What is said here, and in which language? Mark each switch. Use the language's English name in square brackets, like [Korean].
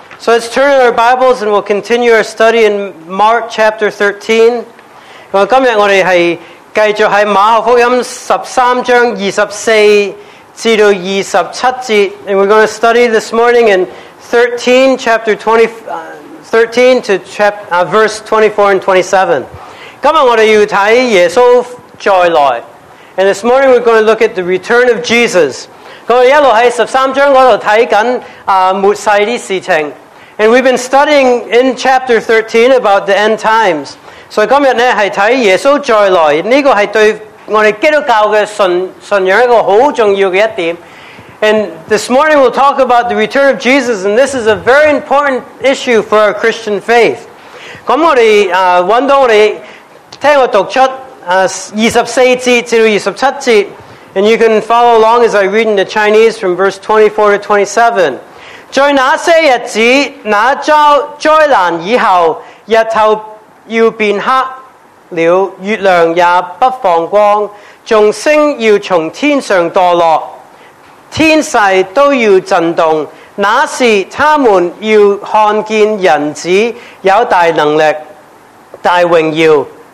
[English] So let's turn our Bibles and we'll continue our study in Mark chapter 13. [Cantonese] 今日我哋系继续喺马可福音十三章二十四至到二十七节。 [English] And we're going to study this morning in 13 chapter 24 and 27. [Cantonese] 今日我哋要睇耶稣再来。 [English] And this morning we're going to look at the return of Jesus. [Cantonese] 我一路喺十三章嗰度睇緊末世啲事情。 [English] And we've been studying in chapter 13 about the end times. [Cantonese] 所以今日咧係睇耶穌再來，這個係對我哋基督教嘅信仰一個好重要嘅一點。 [English] And this morning we'll talk about the return of Jesus, and this is a very important issue for our Christian faith. [Cantonese] 咁我哋揾到我哋聽我讀出。 [English] 24 to 27, and you can follow along as I read in the Chinese from verse 24 to 27. [Cantonese] 在那些日子，那遭灾难以后，日头要变黑了，月亮也不放光，众星要从天上堕落，天势都要震动。那时他们要看见人子有大能力、大荣耀。